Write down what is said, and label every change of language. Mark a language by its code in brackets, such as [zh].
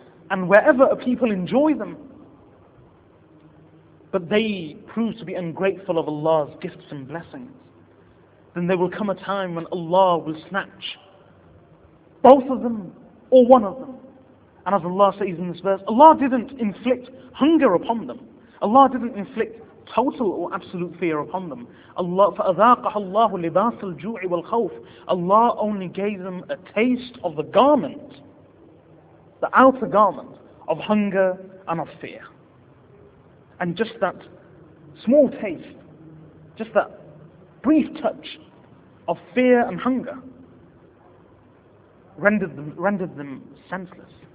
[en] And wherever a people enjoy them, but they prove to be ungrateful of Allah's gifts and blessings, then there will come a time when Allah will snatch both of them or one of them. And as Allah says in this verse, Allah didn't inflict hunger upon them. Allah didn't inflict total or absolute fear upon them. [ar] Allah, فَأَذَاقَهَ اللَّهُ لِبَاسَ الْجُوعِ وَالْخَوْفِ. [en] Allah only gave them a taste of the garment, the outer garment of hunger and of fear. And just that small taste, just that brief touch of fear and hunger rendered them senseless.